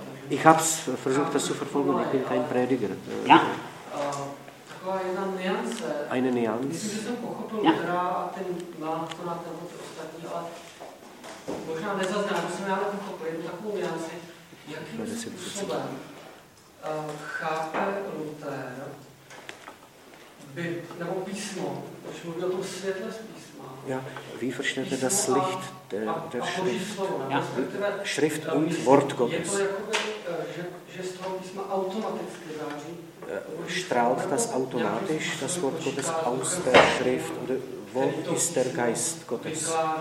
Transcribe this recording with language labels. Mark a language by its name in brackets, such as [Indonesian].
[German] Ich hab's versucht, das zu verfolgen, ich bin kein Prediger. Ja. [Czech] Taková jedna niance. Myslím, že jsem pochopil Lutera a ten nástroj na ten ostatní, ale možná nezazná, to jsem já nepochopil, takovou niance, jakým způsobem chápe Luther nebo písmo, když mluví o tom světle z písma. [German] Ja, wie verstehte das Licht der Schrift? Ja. Schrift und Wort Gottes. [Czech] Je to jakoby, že z toho písma automaticky září. [German] Strahlt das automatisch das Wort Gottes aus der Schrift oder wo ist der Geist Gottes?